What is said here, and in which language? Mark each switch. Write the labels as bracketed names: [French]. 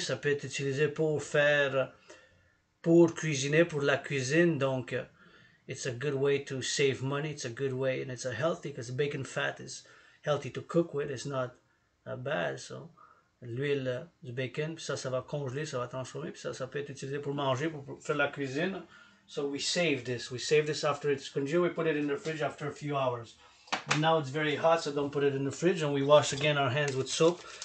[French] Ça peut être utilisé pour faire, pour cuisiner, pour la cuisine. [English] Donc, it's a good way to save money. It's a good way. And it's a healthy, because bacon fat is healthy to cook with. It's not bad. [French] So, l'huile du bacon, puis ça, ça va congeler, ça va transformer. Puis ça, ça peut être utilisé pour manger, pour faire la cuisine. [English] So we save this. We save this after it's congealed. We put it in the fridge after a few hours. But now it's very hot, so don't put it in the fridge. And we wash again our hands with soap.